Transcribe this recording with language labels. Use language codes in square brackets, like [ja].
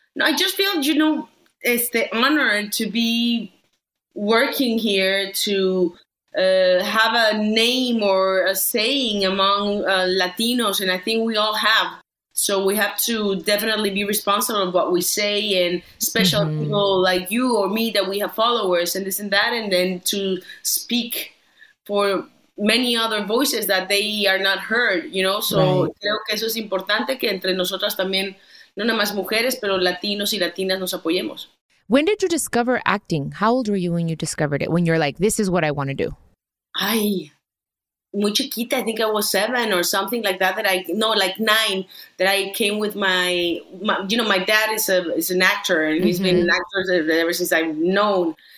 [en] No, I just feel, you know, it's the honor to be working here, to have a name or a saying among Latinos, and I think we all have. So we have to definitely be responsible of what we say, and special people like you or me that we have followers and this and that, and then to speak for many other voices that they are not heard, you know? [es] So creo que eso es importante, que entre nosotras también, no nada más mujeres, pero Latinos y Latinas nos apoyemos. [en] When did you discover acting? How old were you when you discovered it? When you're like, this is what I want to do. [es] Ay, muy chiquita. [en] I think I was 7 or something like that. Like 9, that I came with my dad is an actor, and he's been an actor ever since I've known.